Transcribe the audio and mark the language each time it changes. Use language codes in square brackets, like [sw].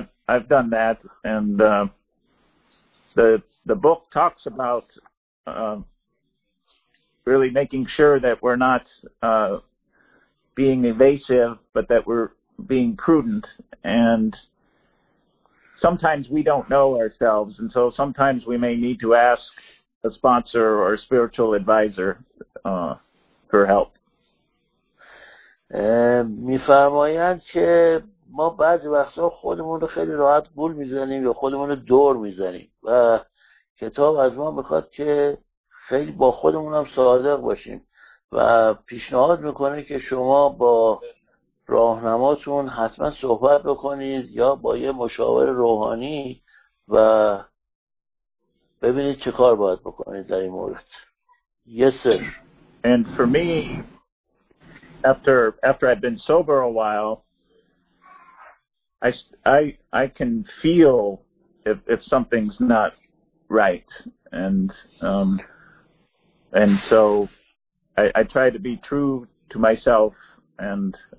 [en] I've done that, and the book talks about really making sure that we're not being evasive, but that we're being prudent. And sometimes we don't know ourselves, and so sometimes we may need to ask a sponsor or a spiritual advisor for help. [fa] می‌فرمایند که ما بعضی وقتا خودمون رو خیلی راحت گول می‌زنیم یا خودمون رو دور می‌زنیم و کتاب از ما می‌خواد که خیلی با خودمون هم صادق باشیم و پیشنهاد می‌کنه که شما با راهنماتون حتما صحبت بکنید یا با یه مشاور روحانی و ببینید چه کار باید بکنید در این مورد. [en] Yes, sir. And for me, after I've been sober a while, I can feel if something's not right, and so I try to be true to myself and